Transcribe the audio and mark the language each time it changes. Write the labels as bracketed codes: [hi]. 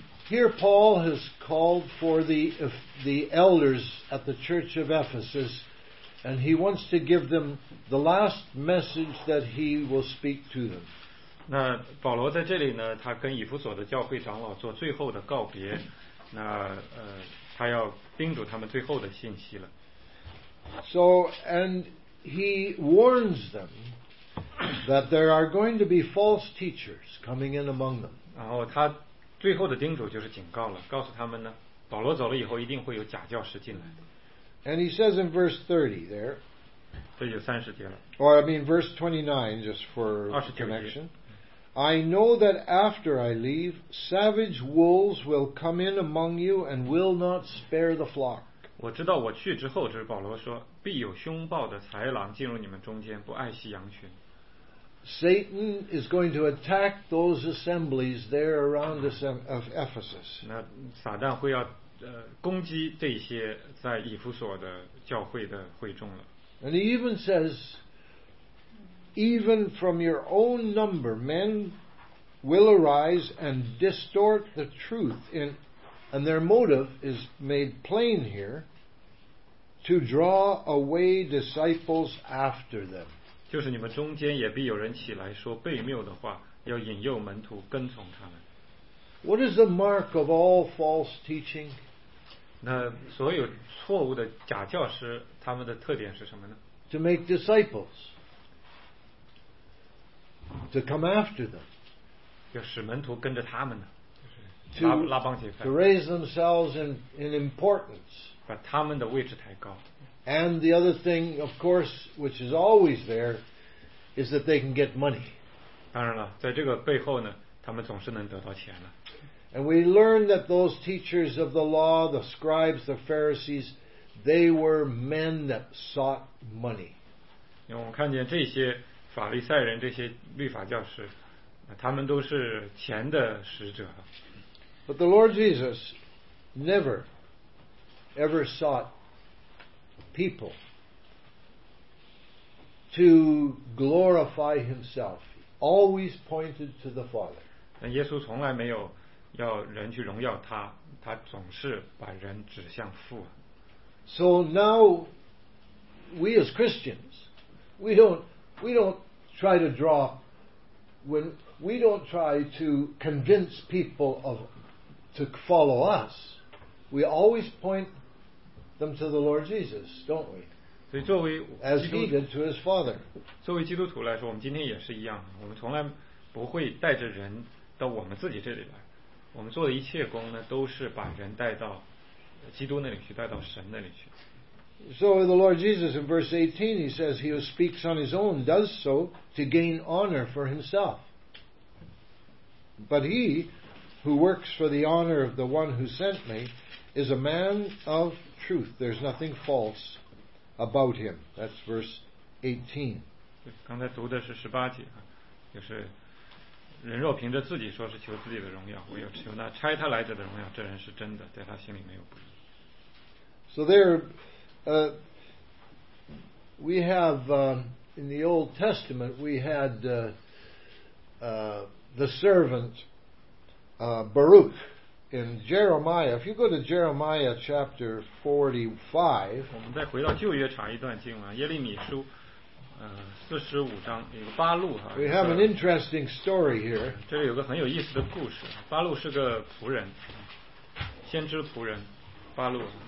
[en] Here Paul has called for the elders at the church of Ephesus, and he wants to give them the last message that he will speak to them. [zh] 那保罗在这里呢，他跟以弗所的教会长老做最后的告别，那他要叮嘱他们最后的信息了。 [en] So, and he warns them that there are going to be false teachers coming in among them. [zh] 然后他最后的叮嘱就是警告了，告诉他们呢，保罗走了以后一定会有假教师进来。 [en] And he says in verse 30 there. [zh] 这就三十节了。 [en] Or I mean verse 29, just for connection. I know that after I leave, savage wolves will come in among you and will not spare the flock. [zh] 我知道我去之后，这是保罗说，必有凶暴的豺狼进入你们中间，不爱惜羊群。 [en] Satan is going to attack those assemblies there around of Ephesus. [zh] 那撒旦会要攻击这些在以弗所的教会的会众了。 [en] And he even says, even from your own number, men will arise and distort the truth. And their motive is made plain here to draw away disciples after them. [zh] 就是你们中间也必有人起来说悖谬的话，要引诱门徒跟从他们。 [en] What is the mark of all false teaching? [zh] 那所有错误的假教师，他们的特点是什么呢？ [en] To make disciples. To come after them. [zh] 要使门徒跟着他们呢，就是拉帮结派。 [en] To raise themselves in importance. [zh] 把他们的位置抬高。 [en] And the other thing, of course, which is always there, is that they can get money. [zh] 当然了，在这个背后呢，他们总是能得到钱了。 [en] And we learn that those teachers of the law, the scribes, the Pharisees, they were men that sought money. [zh] 因为我们看见这些法利赛人，这些律法教师，他们都是钱的使者。 [en] But the Lord Jesus never, ever sought people to glorify himself, always pointed to the Father. [zh] 耶稣从来没有要人去荣耀他，他总是把人指向父。 [en] So now, we as Christians, we don't try to convince people of to follow us. We always point them to the Lord Jesus, don't we? [zh] 所以作为 [en] as he did to his father. [zh] 作为基督徒来说，我们今天也是一样，我们从来不会带着人到我们自己这里来。我们做的一切工呢，都是把人带到基督那里去，带到神那里去。 [en] So the Lord Jesus in verse 18, he says he who speaks on his own does so to gain honor for himself. But he who works for the honor of the one who sent me is a man of truth. There's nothing false about him. That's verse 18. [zh] 刚才读的是十八节，就是人若凭着自己说是求自己的荣耀，唯有求那差他来者的荣耀，这人是真的，在他心里没有不义。 [en] So there, we have in the Old Testament we had the servant Baruch. In Jeremiah, if you go to Jeremiah chapter 45, [zh] 我们再回到旧约查一段经文，耶利米书，四十五章有个巴路哈。 [en] We have an interesting story here. [zh] 这里有个很有意思的故事。巴路是个仆人，先知仆人，巴路。